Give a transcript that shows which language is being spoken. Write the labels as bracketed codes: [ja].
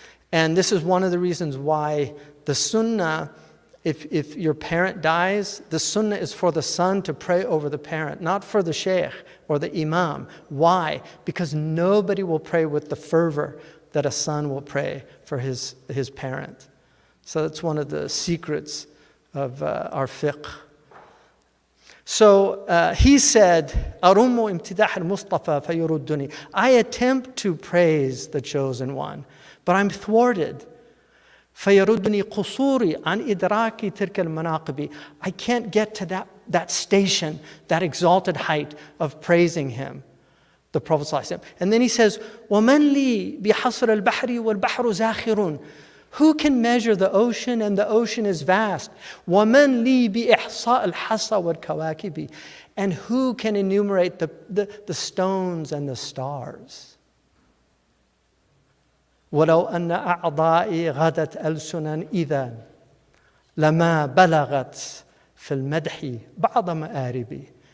[en] And this is one of the reasons why the sunnah, if your parent dies, the sunnah is for the son to pray over the parent, not for the sheikh or the imam. Why? Because nobody will pray with the fervor that a son will pray for his parent. So that's one of the secrets of our fiqh. So he said, [ar] أَرُمُّ إِمْتِدَاحَ الْمُصْطَفَى فَيُرُدُّنِي. [en] I attempt to praise the chosen one, but I'm thwarted. [ar] فَيَرُدُّنِي قُصُورِي عَنْ إِدْرَاكِ تِرْكَ الْمَنَاقِبِ. [en] I can't get to that station, that exalted height of praising him, the Prophet ﷺ. And then he says, [ar] وَمَنْ لِي بِحَصْرَ الْبَحْرِ وَالْبَحْرُ زَاخِرٌ. [en] Who can measure the ocean and the ocean is vast? [ar] وَمَنْ لِي بِإِحْصَاءِ الْحَصَى وَالْكَوَاكِبِ. [en] And who can enumerate the stones and the stars? [ar] وَلَوْ أَنَّ أَعْضَائِي غَدَتْ أَلْسُنًا إِذًا لَمَا بَلَغَتْ فِي الْمَدْحِ بَعْضَ مَآرِبِ.